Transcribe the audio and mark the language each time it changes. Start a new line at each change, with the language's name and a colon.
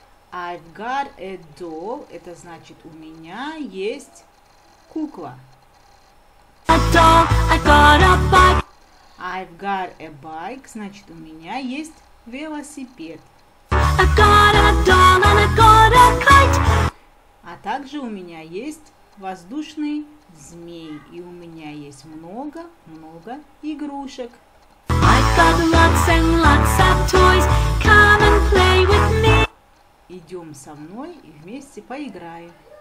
English: I've got a doll.
Russian: Это значит, у меня есть кукла.
English: A doll, I got a bike. I've got a bike.
Russian: Значит, у меня есть велосипед.
English: I got a doll and I got a kite.
Russian: А также у меня есть воздушный змей. И у меня есть много-много игрушек.
English: I got lots and lots of toys. Come and play with me.
Russian: Идем со мной и вместе поиграем.